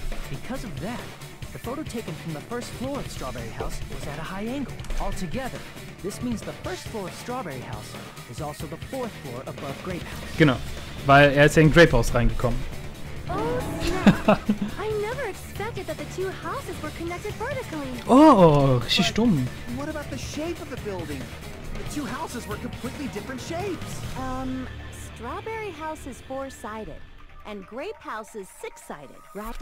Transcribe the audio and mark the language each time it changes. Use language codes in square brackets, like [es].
[en] Because of that, the photo taken from the first floor of Strawberry House was at a high angle. Altogether, this means the first floor of Strawberry House is also the fourth floor above Grape House. [de] Genau, weil er ist ja in Grape House reingekommen. [en] Oh, I never expected that the two houses were connected vertically. [de] Oh, richtig dumm. [en] What about the shape of the building? The two houses were completely different shapes. Strawberry House is four-sided and Grape House is six-sided. Right?